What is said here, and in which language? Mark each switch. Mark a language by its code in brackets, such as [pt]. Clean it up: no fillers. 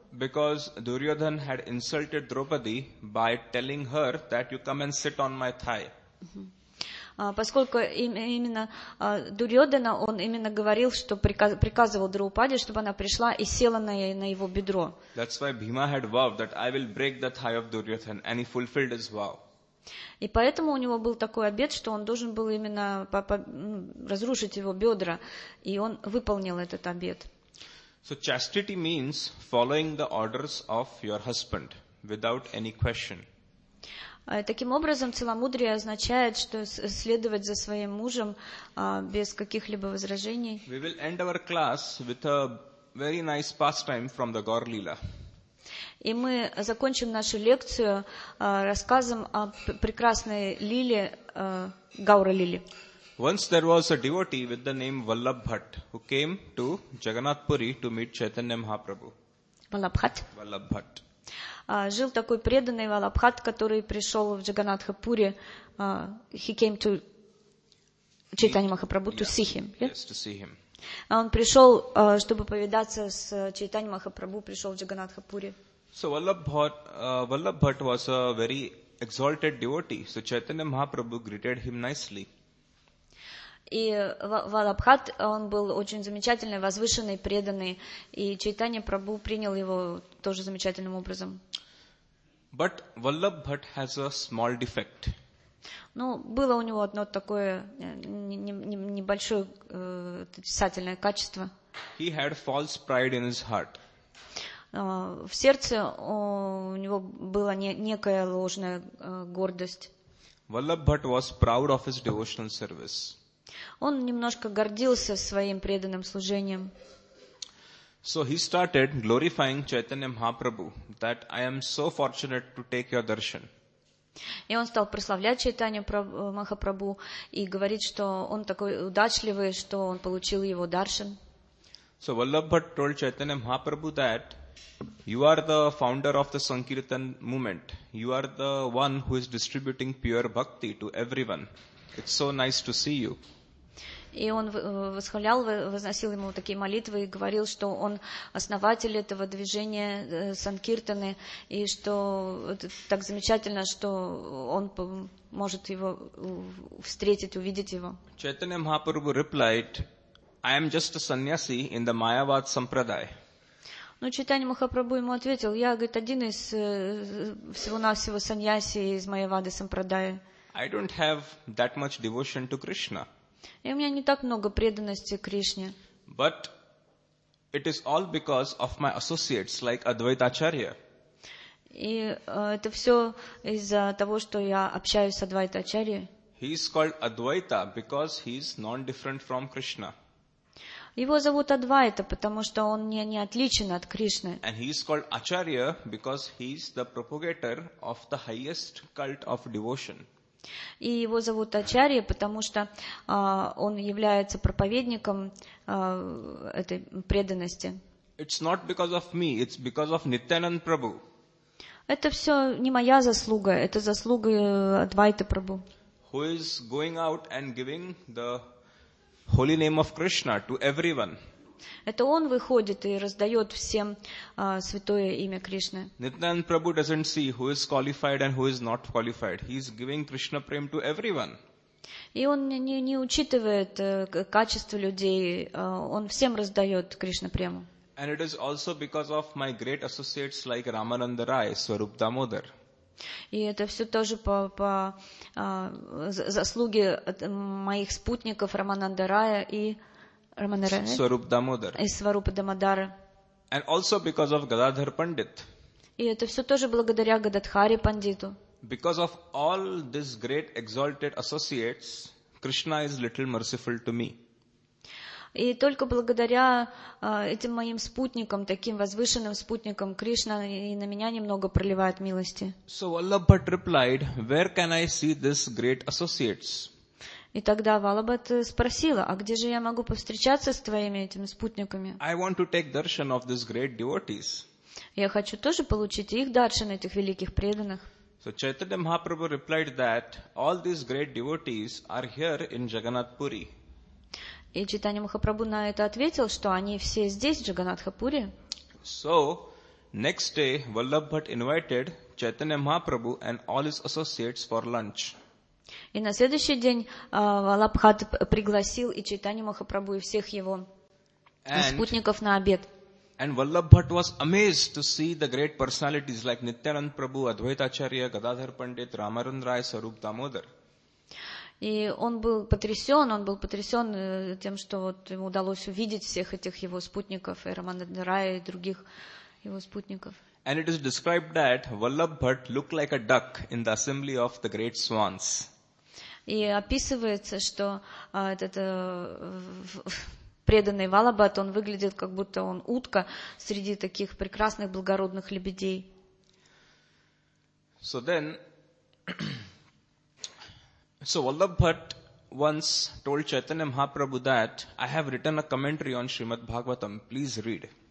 [en] Because Duryodhan had insulted Draupadi by telling her that you come and sit on my thigh. [ru] Поскольку именно Дурьодхана, он именно говорил, что приказывал Драупаде, чтобы она пришла и села на его бедро. [en] That's why Bhima had vowed that I will break the thigh of Duryodhan, and he fulfilled his vow. [ru] И поэтому у него был такой обет, что он должен был именно разрушить его бедра, и он выполнил этот обет. [en] So chastity means following the orders of your husband without any question. [ru] Таким образом, целомудрие означает, что следовать за своим мужем без каких-либо возражений. [en] We will end our class with a very nice pastime from the Gaur-lila. [ru] И мы закончим нашу лекцию рассказом о прекрасной лиле, Гаура-лиле. [en] Once there was a devotee with the name Vallabh Bhatt who came to Jagannath Puri to meet Chaitanya Mahaprabhu. Vallabh Bhatt. [ru] Жил такой преданный Валабхат, который пришел в Джаганатхапури. [en] He came to Чайтанья Махапрабху, to see him. Yeah? Yes, to see him. [ru] Он пришел, чтобы повидаться с Чайтанья Махапрабху, пришел в Джаганатхапури. [en] So Vallabh Bhatt was a very exalted devotee. So Chaitanya Mahaprabhu greeted him nicely. [ru] И Валабхат, он был очень замечательный, возвышенный, преданный. И Чайтанья Прабху принял его тоже замечательным образом. [en] But Vallabh Bhatt has a small defect. [ru] Ну, было у него одно такое небольшое отрицательное качество. [en] He had false pride in his heart. [ru] В сердце у него была некая ложная гордость. [en] Vallabh Bhatt was proud of his devotional service. [ru] Он немножко гордился своим преданным служением. [en] So he started glorifying Chaitanya Mahaprabhu that I am so fortunate to take your darshan. [ru] И он стал прославлять Чайтанью Махапрабху и говорить, что он такой удачливый, что он получил его даршан. [en] So Vallabh Bhatt told Chaitanya Mahaprabhu that you are the founder of the Sankirtan movement. You are the one who is distributing pure bhakti to everyone. It's so nice to see you. [ru] И он восхвалял, возносил ему такие молитвы и говорил, что он основатель этого движения Санкиртаны, и что так замечательно, что он может его встретить, увидеть его. [en] Chaitanya Mahaprabhu replied, I am just a sannyasi in the Mayavad Sampradaya. [ru] Ну, Чайтанья Махапрабху ему ответил, я, говорит, один из всего-навсего саньяси из Майявады Сампрадая. [en] I don't have that much devotion to Krishna. [ru] И у меня не так много преданности Кришне. [en] But it is all because of my associates, like Advaita Acharya. [ru] И это все из-за того, что я общаюсь с Адвайта Ачарьей. [en] He is called Advaita because he is non-different from Krishna. [ru] Его зовут Адвайта, потому что он не отличен от Кришны. [en] And he is called Acharya because he is the propagator of the highest cult of devotion. [ru] И его зовут Ачарья, потому что он является проповедником этой преданности. [en] It's not because of me, it's because of Nityanand Prabhu. [ru] Это все не моя заслуга, это заслуга Адвайта Прабху. [en] Who is going out and giving the holy name of Krishna to everyone. [ru] Это он выходит и раздает всем святое имя Кришны. [en] Nityanand Prabhu doesn't see who is qualified and who is not qualified. He is giving Krishna prem to everyone. [ru] И он не учитывает качество людей. Он всем раздает Кришна прему. [en] And it is also because of my great associates like Ramananda Rai, Swarup Damodar. [ru] И это все тоже по заслуге моих спутников Рамананда Рая и Сварупа Дамодара. [en] And also because of Gadadhar Pandit. [ru] И это все тоже благодаря Гададхаре Пандиту. [en] Because of all these great exalted associates, Krishna is little merciful to me. [ru] И только благодаря этим моим спутникам, таким возвышенным спутникам, Кришна и на меня немного проливает милости. [en] So Vallabh Bhatt replied, where can I see these great associates? [ru] И тогда Валабхат спросила, а где же я могу повстречаться с твоими этими спутниками? [en] I want to take darshan of these great devotees. [ru] Я хочу тоже получить их даршан, этих великих преданных. [en] So Chaitanya Mahaprabhu replied that all these great devotees are here in Jagannath Puri. [ru] И Чайтанья Махапрабху на это ответил, что они все здесь, в Джаганатхапуре. [en] So, next day, Vallabh Bhatt invited Chaitanya Mahaprabhu and all his associates for lunch. [ru] И на следующий день Vallabh Bhatt пригласил и Чайтанья Махапрабху, и всех его спутников на обед. [en] And Vallabh Bhatt was amazed to see the great personalities like Nityananda Prabhu, Advaita Acharya, Gadadhar Pandit, Ramananda Rai, Swarup Damodar. [ru] И он был потрясен тем, что вот ему удалось увидеть всех этих его спутников, и Рамананда Рая, и других его спутников. [en] And it is described that Vallabh Bhatt looked like a duck in the assembly of the great swans. [ru] И описывается, что преданный Vallabh Bhatt, он выглядит, как будто он утка среди таких прекрасных, благородных лебедей. [en] So then... So Vallabh Bhatt once told Chaitanya Mahaprabhu that I have written a commentary on Srimad Bhagavatam. Please read.